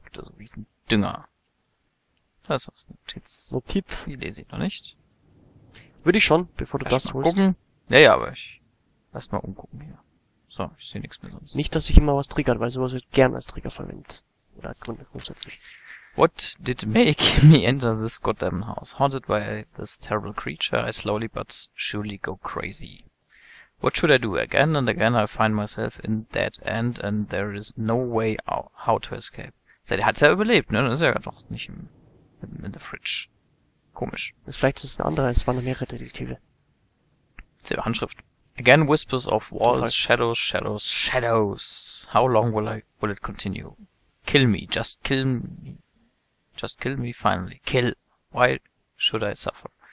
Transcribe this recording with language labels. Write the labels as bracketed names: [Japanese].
[German] Gibt da so riesen Dünger. Das ist was, Notiz. Notiz? Die lese ich noch nicht. Würde ich schon, bevor du das holst. Gucken. Ja, ja, aber ich. Lass mal umgucken hier. So, ich sehe nichts mehr sonst. Nicht, dass sich immer was triggert, weil sowas wird gern als Trigger verwendet. Oder grundsätzlich. [English] What did make me enter this goddamn house? Haunted by this terrible creature, I slowly but surely go crazy. What should I do? Again and again I find myself in that end and there is no way out how to escape. [German] Seit er hat's ja überlebt, ne? Das ist ja doch nicht [English] in the fridge. [German] Komisch. Vielleicht ist es ein anderer, es waren mehrere Detektive. Selbe Handschrift. [English] Again whispers of walls, shadows, shadows, shadows. How long will it continue? Kill me, just kill me. Just kill me, finally. Kill. Why should I suffer?